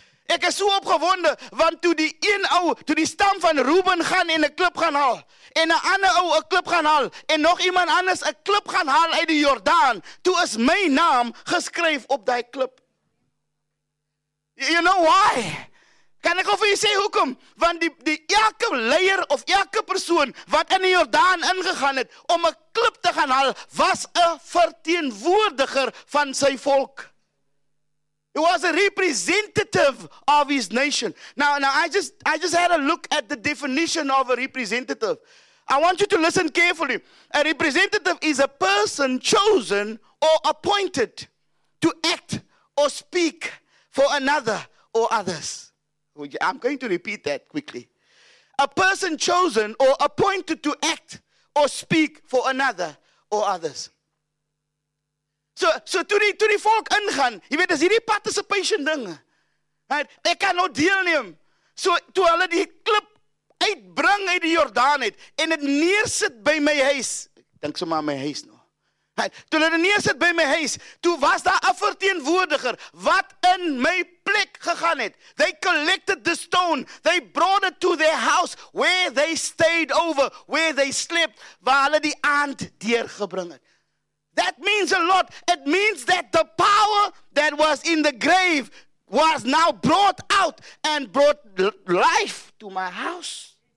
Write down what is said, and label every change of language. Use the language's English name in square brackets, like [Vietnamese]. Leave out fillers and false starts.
[Afrikaans] Ek is so opgewonde, want toe die een ou, toe die stam van Reuben gaan en een klip gaan haal, en een ander ou een klip gaan haal, en nog iemand anders een klip gaan haal uit die Jordaan, toe is my naam geskryf op die klip. [English] You know why? [Afrikaans] Kan ek vir jy sê hoekom? Want die elke leier of elke persoon wat in die Jordaan ingegaan het, om een klip te gaan haal, was een verteenwoordiger van sy volk. [English] He was a representative of his nation. Now I just had a look at the definition of a representative. I want you to listen carefully. A representative is a person chosen or appointed to act or speak for another or others. I'm going to repeat that quickly. A person chosen or appointed to act or speak for another or others. [Afrikaans] So toe die volk ingaan, jy weet, is hier die participation ding. Ek kan nou deelneem. So toe hulle die klip uitbring uit die Jordaan het, en het neersit by my huis, denk so maar my huis nou. Toe hulle neersit by my huis, toe was daar een verteenwoordiger, wat in my plek gegaan het. [English] They collected the stone, they brought it to their house, where they stayed over, where they slept, [Afrikaans] waar hulle die aand deurgebring het. [English] That means a lot. It means that the power that was in the grave was now brought out and brought life to my house.